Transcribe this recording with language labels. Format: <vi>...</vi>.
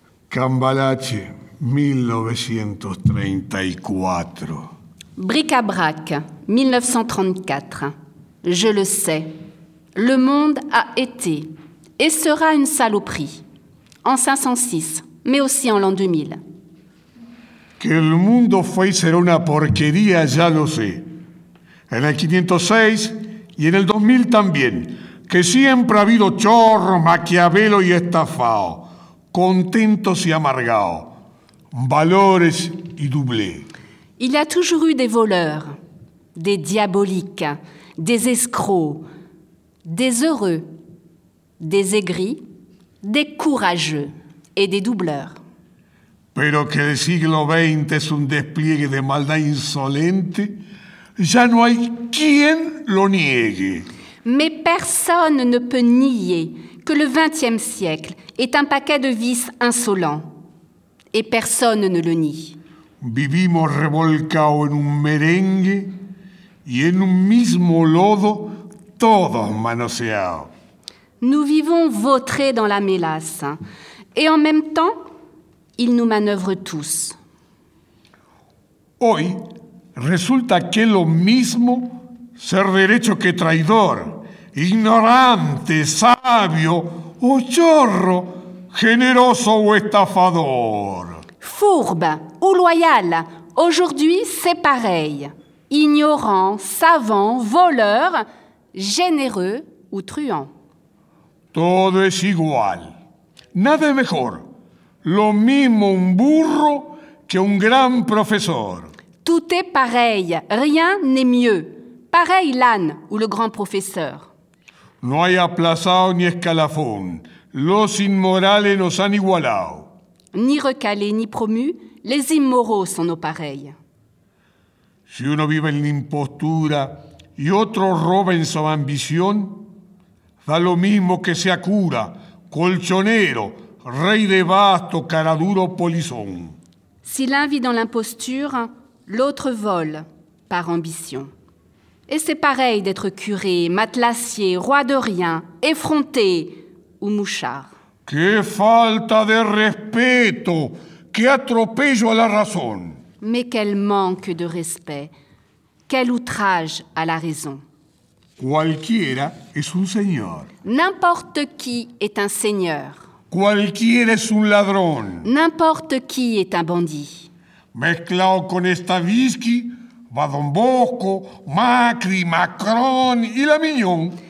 <es>Cambalache, 1934.</es> <fr>Bric-à-brac, 1934. Je le sais, le monde a été et sera une saloperie, en 506, mais aussi en l'an 2000.</fr> <es>Que le mundo fue y será una porquería, ya lo sé. En el 506 y en el 2000 también, que siempre ha habido chorro, maquiavelo y estafao, contentos y amargao, valores y doublé.</es> <fr>Il y a toujours eu des voleurs, des diaboliques, des escrocs, des heureux, des aigris, des courageux et des doubleurs.</fr> <es>Pero que el siglo XX es un despliegue de maldad insolente, ya no hay quien lo niegue.</es> <fr>Mais personne ne peut nier que le XXe siècle est un paquet de vices insolents. Et personne ne le nie.</fr> <es>Vivimos revolcados en un merengue y en un mismo lodo todos manoseados.</es> <fr>Nous vivons vautrés dans la mélasse et en même temps, ils nous manœuvrent tous.</fr> <es>Hoy resulta que lo mismo ser derecho que traidor, ignorante, sabio o chorro, generoso o estafador.</es> <fr>Fourbe ou loyal, aujourd'hui c'est pareil. Ignorant, savant, voleur, généreux ou truand.</fr> <es>Todo es igual, nada es mejor. Lo mismo un burro que un gran profesor.</es> <fr>Tout est pareil, rien n'est mieux. Pareil l'âne ou le grand professeur.</fr> <es>No hay aplazado ni escalafón. Los inmorales nos han igualado.</es> <fr>Ni recalé ni promu, les immoraux sont nos pareils.</fr> <es>Si uno vive en la impostura y otro roba en su ambición, da lo mismo que sea cura, colchonero, rey de basto, cara duro, polizón.</es> <fr>Si l'un vit dans l'imposture, l'autre vole par ambition. Et c'est pareil d'être curé, matelassier, roi de rien, effronté ou mouchard.</fr> <es>Que falta de respeto, que atropello a la razón.</es> <fr>Mais quel manque de respect, quel outrage à la raison.</fr> <es>Cualquiera es un señor.</es> <fr>N'importe qui est un seigneur.</fr> <es>Cualquiera es un ladrón.</es> <fr>N'importe qui est un bandit.</fr> <es>Mezclado con Stavisky, va Don Bosco, Macri, Macron y la Mignon.</es>